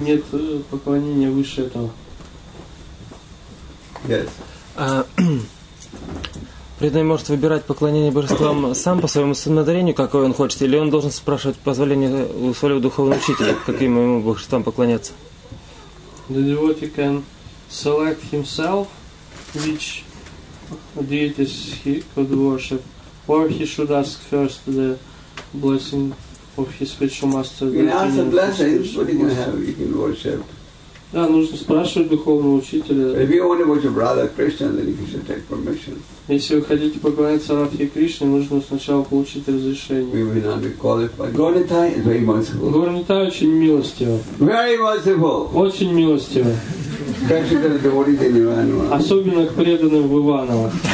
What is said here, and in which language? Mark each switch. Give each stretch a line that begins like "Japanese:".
Russian: Нет поклонения выше этого.
English: Yes.
Russian: Преданный может выбирать поклонение божествам сам по своему самоодарению, какое он хочет, или он должен спрашивать позволение у своего духовного учителя, каким ему божествам поклоняться?
English: The devotee can select himself which deities he could worship, or he should ask first the blessing of his spiritual master. You can ask the blessing, what you can have, you can worship.
Russian: Да, нужно спрашивать духовного учителя.
English: If you only want your brother Krishna, then you should take permission.
Russian: Если вы хотите поклониться Радхе Кришне, нужно сначала получить разрешение.
English: We will not be qualified. Горнитай is very merciful.
Russian: Горнитай очень милостиво.
English: Very merciful.
Russian: Очень милостиво.
English: Especially the devotees in Ivanovo.
Russian: Особенно к преданным в Иваново.